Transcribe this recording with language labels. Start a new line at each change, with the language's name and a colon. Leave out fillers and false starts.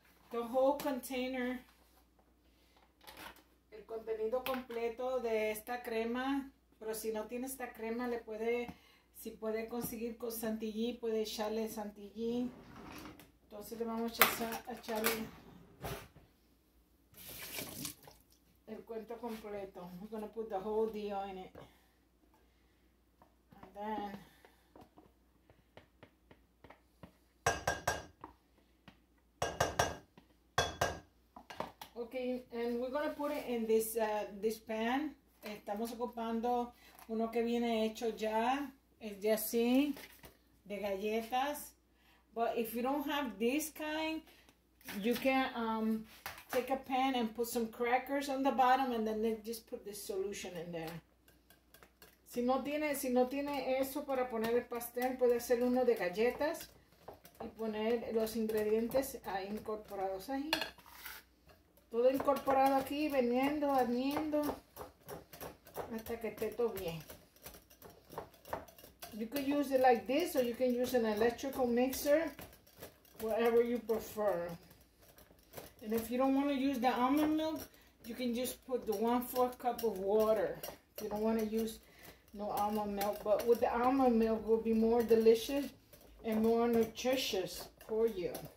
English: The whole container,
Spanish: el contenido completo de esta crema, pero si no tiene esta crema, si puede conseguir con Santillí, puede echarle Santillí. Entonces le vamos a echarle el cuento completo.
English: We're gonna put the whole deal in it. And then, okay, and we're gonna put it in this pan.
Spanish: Estamos ocupando uno que viene hecho ya, es de así, de galletas.
English: But if you don't have this kind, you can take a pan and put some crackers on the bottom, and then just put the solution in there.
Spanish: Si no tiene eso para poner el pastel, puede hacer uno de galletas y poner los ingredientes ahí incorporados ahí. Todo incorporado aquí, veniendo, hasta que esté todo bien.
English: You could use it like this, or you can use an electrical mixer, whatever you prefer. And if you don't want to use the almond milk, you can just put the 1/4 cup of water. You don't want to use no almond milk, but with the almond milk, it will be more delicious and more nutritious for you.